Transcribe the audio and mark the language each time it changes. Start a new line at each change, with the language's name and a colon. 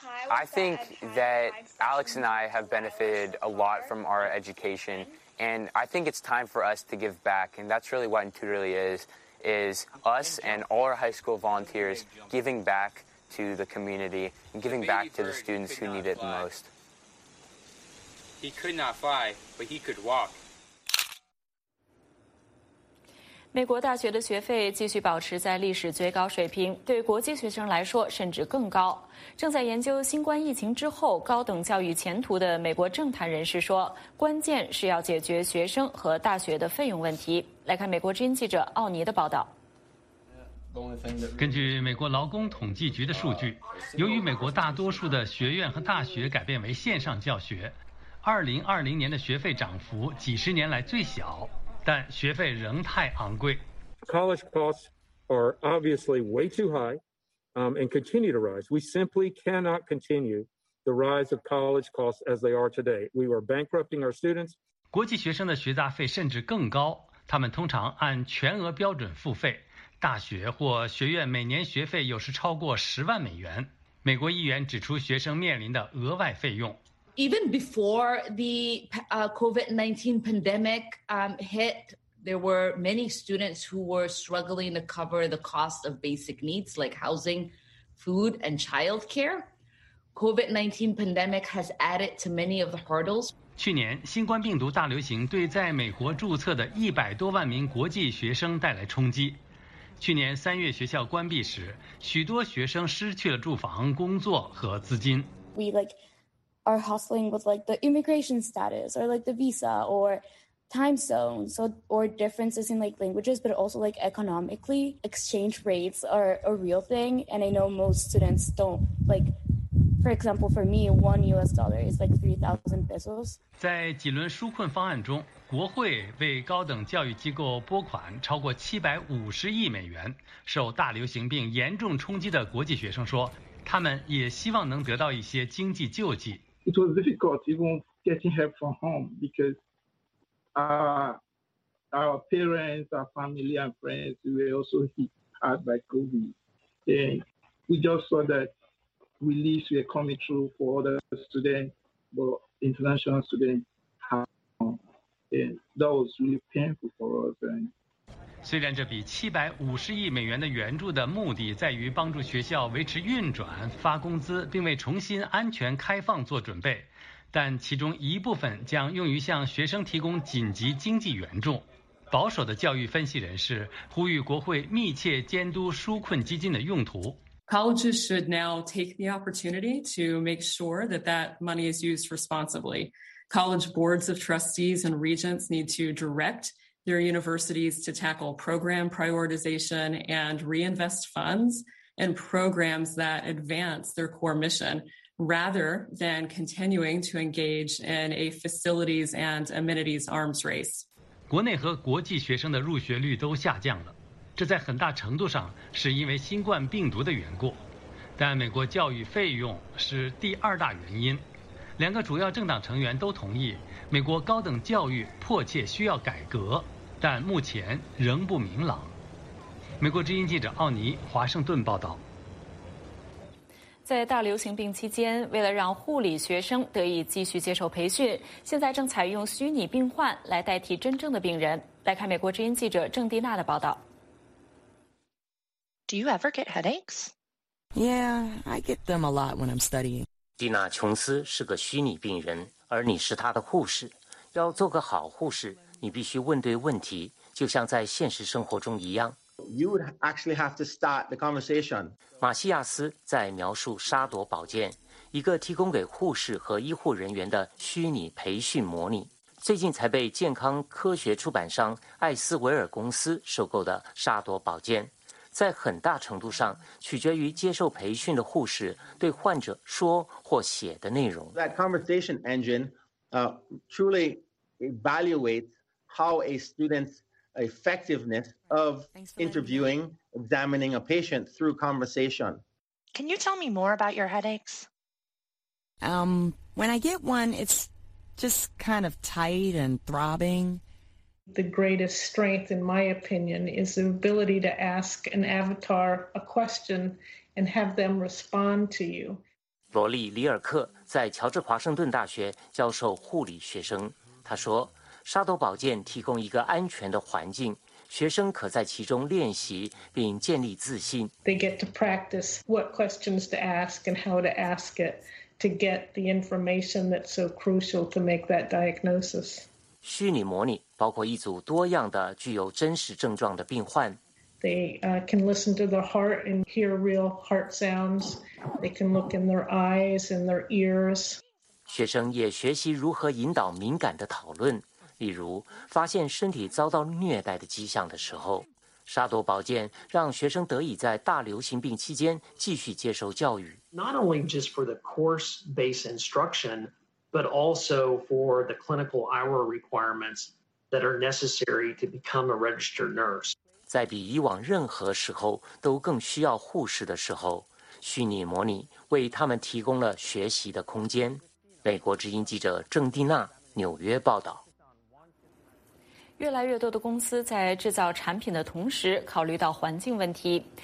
English: I think that Alex and I have benefited a lot from our education, and I think it's time for us to give back, and that's really what Intutorly is us and all our high school volunteers giving back to the community and giving back to the students who need it the most. He could not fly, but he could walk.
Chinese: 美国大学的学费继续保持在历史最高水平，对国际学生来说甚至更高。正在研究新冠疫情之后高等教育前途的美国政坛人士说，关键是要解决学生和大学的费用问题。来看美国之音记者奥尼的报道。根据美国劳工统计局的数据，由于美国大多数的学院和大学改变为线上教学，2020年的学费涨幅几十年来最小，但学费仍太昂贵。
English: College costs are obviously way too high, and continue to rise. We simply cannot continue the rise of college costs as they are today. We are bankrupting our students.
Chinese: 国际学生的学杂费甚至更高，他们通常按全额标准付费，大学或学院每年学费有时超过$100,000。美国议员指出学生面临的额外费用。
English: Even before the COVID-19 pandemic hit, there were many students who were struggling to cover the cost of basic needs like housing, food, and childcare. COVID-19 pandemic has added to many of the hurdles.
Chinese: 去年新冠病毒大流行对在美国注册的100多万名国际学生带来冲击。去年三月学校关闭时，许多学生失去了住房、工作和资金。
English: Are hustling with like the immigration status or like the visa or time zone, so or differences in like languages, but also like economically, exchange rates are a real thing. And I know most students don't like, for example, for me, $1 is like 3,000 pesos.
Chinese: 在几轮纾困方案中，国会为高等教育机构拨款超过$750亿。受大流行病严重冲击的国际学生说，他们也希望能得到一些经济救济。
English: It was difficult even getting help from home because our parents, our family and friends were also hit hard by COVID. And we just saw that relief were coming through for other students, but international students had home. And that was really painful for us.
Chinese: 虽然这笔$750亿的援助的目的在于帮助学校维持运转、发工资，并为重新安全开放做准备，但其中一部分将用于向学生提供紧急经济援助。保守的教育分析人士呼吁国会密切监督纾困基金的用途。
English: Colleges should now take the opportunity to make sure that that money is used responsibly. College boards of trustees and regents need to direct their universities to tackle program prioritization and reinvest funds in programs that advance their core mission, rather than continuing to engage in a facilities and amenities arms race.
Chinese: 国内和国际学生的入学率都下降了，这在很大程度上是因为新冠病毒的缘故，但美国教育费用是第二大原因。两个主要政党成员都同意，美国高等教育迫切需要改革。但目前仍不明朗。美国之音记者奥尼华盛顿报道。在大流行病期间，为了让护理学生得以继续接受培训，现在正采用虚拟病患来代替真正的病人。来看美国之音记者郑蒂娜的报道。
English: Do you ever get headaches? Yeah, I get them a lot when I'm studying.
Chinese: 蒂娜·琼斯是个虚拟病人，而你是她的护士。要做个好护士，你必须问对问题，就像在现实生活中一样。
English: You would actually have to start the conversation.
Chinese: 马西亚斯在描述沙朵宝剑，一个提供给护士和医护人员的虚拟培训模拟，最近才被健康科学出版商艾斯维尔公司收购的沙朵宝剑，在很大程度上取决于接受培训的护士对患者说或写的内容。
English: That conversation engine, truly evaluates. How a student's effectiveness of interviewing, examining a patient through conversation. Can you tell me more about your headaches? When I get one, it's just kind of tight and throbbing. The greatest strength, in my opinion, is the ability to ask an avatar a question and have them respond to you.
Chinese: 罗莉·里尔克在乔治华盛顿大学教授护理学生，他说，沙斗宝剑提供一个安全的环境，学生可在其中练习并建立自信。
English: They get to practice what questions to ask and how to ask it to get the information that's so crucial to make that diagnosis.
Chinese: 虚拟模拟包括一组多样的具有真实症状的病患。
English: They can listen to their heart and hear real heart sounds. They can look in their eyes and their ears.
Chinese: 学生也学习如何引导敏感的讨论，例如发现身体遭到虐待的迹象的时候。沙朵宝剑让学生得以在大流行病期间继续接受教育。
English: Not only just for the course-based instruction, but also for the clinical hour requirements that are necessary to become a registered nurse.
Chinese: 在比以往任何时候都更需要护士的时候，虚拟模拟为他们提供了学习的空间。美国之音记者郑蒂娜，纽约报道。越来越多的公司在制造产品的同时考虑到环境问题。